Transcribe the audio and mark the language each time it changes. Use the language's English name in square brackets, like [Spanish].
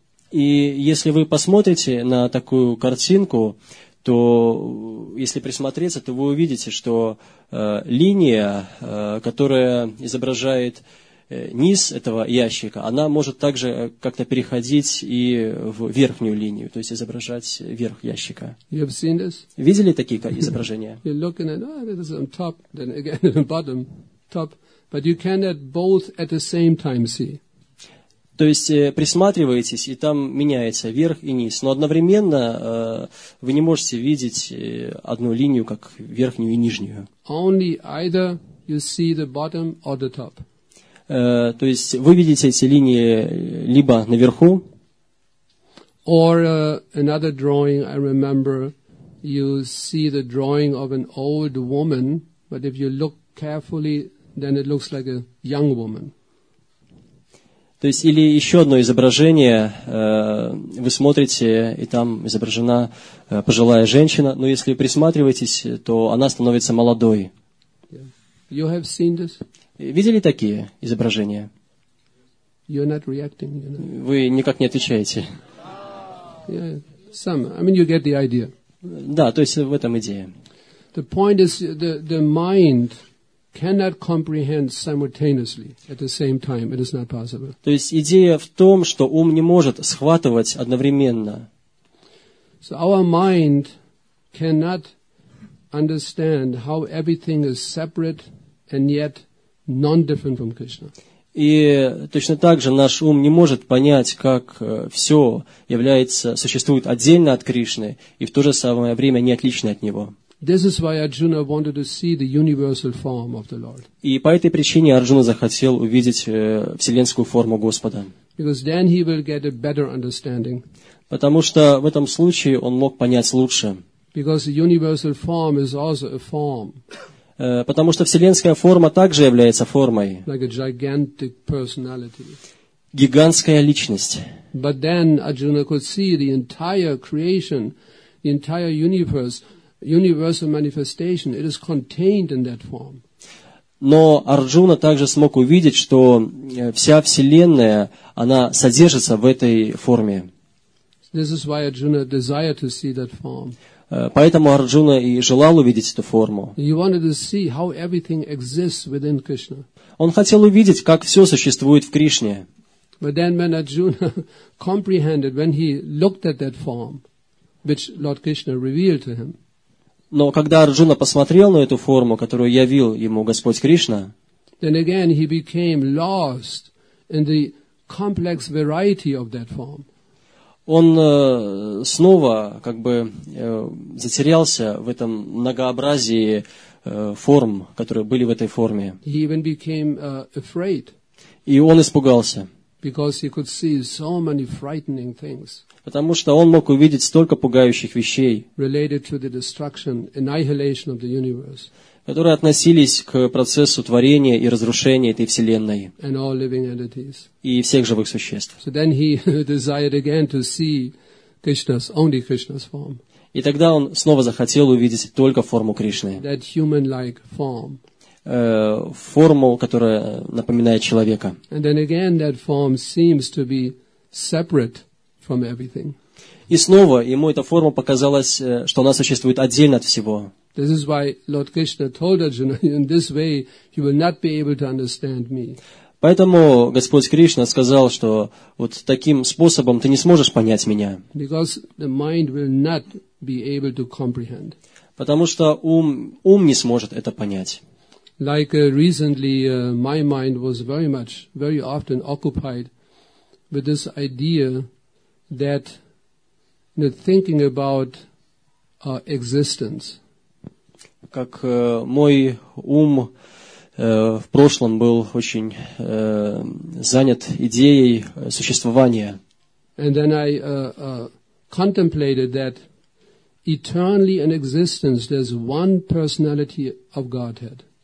[Russian] И если вы посмотрите на такую картинку, то если присмотреться, то вы увидите, что линия, которая изображает низ этого ящика, она может также как-то переходить и в верхнюю линию, то есть изображать верх ящика. [English] You have seen this? [Russian] Видели такие изображения? [English] You're looking at, oh, this is on top, then again at the bottom, top, but you cannot both at the same time see. [Russian] То есть присматриваетесь, и там меняется верх и низ. Но одновременно вы не можете видеть одну линию как верхнюю и нижнюю. [English] Only either you see the bottom or the top. [Russian] То есть вы видите эти линии либо наверху. [English] Or another drawing I remember, you see the drawing of an old woman, but if you look carefully, then it looks like a young woman. [Russian] То есть, или еще одно изображение, вы смотрите, и там изображена пожилая женщина, но если присматриваетесь, то она становится молодой. [English] You have seen this? [Russian] Видели такие изображения? [English] You're not reacting, you're not... [Russian] Вы никак не отвечаете. [English] Yeah, some. I mean, you get the idea. [Russian] Да, то есть в этом идея. [English] The point is the mind cannot comprehend simultaneously at the same time. It is not possible. [Russian] То есть идея в том, что ум не может схватывать одновременно. [English] So our mind cannot understand how everything is separate and yet non-different from Krishna. [Russian] И точно так же наш ум не может понять, как все является, существует отдельно от Кришны и в то же самое время не отлично от Него. [English] This is why Arjuna wanted to see the universal form of the Lord. [Russian] И по этой причине Арджуна захотел увидеть вселенскую форму Господа. [English] Because then he will get a better understanding. [Russian] Потому что в этом случае он мог понять лучше. [English] Because the universal form is also a form. [Russian] Потому что вселенская форма также является формой. [English] Like a gigantic personality. [Russian] Гигантская личность. [English] But then Arjuna could see the entire creation, the entire universe, universal manifestation, it is contained in that form. [Russian] Но Арджуна также смог увидеть, что вся вселенная, она содержится в этой форме. [English] This is why Arjuna desired to see that form. [Russian] Поэтому Арджуна и желал увидеть эту форму. [English] He wanted to see how everything exists within Krishna. [Russian] Он хотел увидеть, как все существует в Кришне. [English] But then when Arjuna comprehended, when he looked at that form, which Lord Krishna revealed to him, [Russian] но когда Арджуна посмотрел на эту форму, которую явил ему Господь Кришна, [English] then again he became lost in the complex variety of that form. [Russian] Он снова как бы затерялся в этом многообразии форм, которые были в этой форме. [English] He even became afraid. [Russian] И он испугался. [English] Because he could see so many frightening things. [Russian] Потому что он мог увидеть столько пугающих вещей, [English] related to the destruction, annihilation of the universe, [Russian] которые относились к процессу творения и разрушения этой вселенной [English] and all living entities. [Russian] И всех живых существ. [English] So then he desired again to see Krishna's, only Krishna's form. [Russian] И тогда он снова захотел увидеть только форму Кришны. [English] That human-like form. [Russian] Форму, которая напоминает человека. [English] And then again that form seems to be separate from everything. [Russian] И снова ему эта форма показалась, что она существует отдельно от всего. [English] This is why Lord Krishna told Arjuna, in this way you will not be able to understand me. [Russian] Поэтому Господь Кришна сказал, что вот таким способом ты не сможешь понять меня. [English] Because the mind will not be able to comprehend. [Russian] Потому что ум не сможет это понять. [English] Like recently, my mind was very much, very often occupied with this idea that, you know, thinking about existence. [Russian] Как мой ум в прошлом был очень занят идеей существования. [English] And then I contemplated that eternally in existence there's one personality of Godhead.